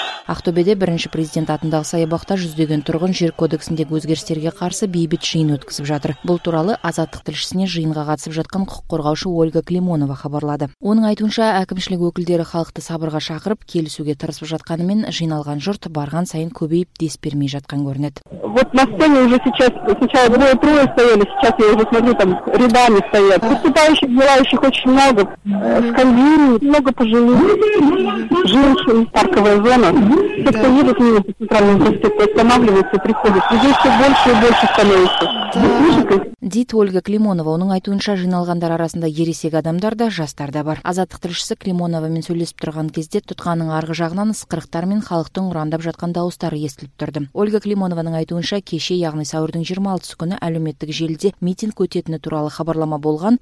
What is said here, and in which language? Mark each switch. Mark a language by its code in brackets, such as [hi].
[kk] Ақтөбеде бірінші президент атындағы саябақта жүздеген тұрғын жер кодексіндегі өзгерістерге қарсы бейбіт жиын өткізіп жатыр. Бұл туралы Азаттық тілшісіне жиынға қатысып жатқан құқық қорғаушы Ольга Климонова хабарлады. Оның айтуынша, әкімшілік өкілдері халықты сабырға шақырып, келісуге тырысып жатқанымен жиналған жұрт барған сайын көбейіп дес бермей жатқан көрінеді. [ru] Вот на сцене уже сейчас сначала двое трое стояли, сейчас я уже смотрю, там рядами стоят. Выступающих, желающих очень много. Скандируют, много пожилых женщин, парковая зона. Те, кто едут в центральную проспекту, останавливаются, приходят. И здесь все больше и больше становится. [kk] Дейт Ольга Климонова, оның айтуынша жиналғандар арасында ересек адамдар да, жастар да бар. Азаттық тілшісі Климонова мен сөйлесіп тұрған кезде тұтқаның арғы жағынан ысқырықтар мен халықтың ұрандап жатқан дауыстары естіліп тұрды. Ольга Климонованың айтуынша кеше, яғни сәуірдің 26 күні әлеуметтік желіде митинг өтетіні туралы хабарлама болған.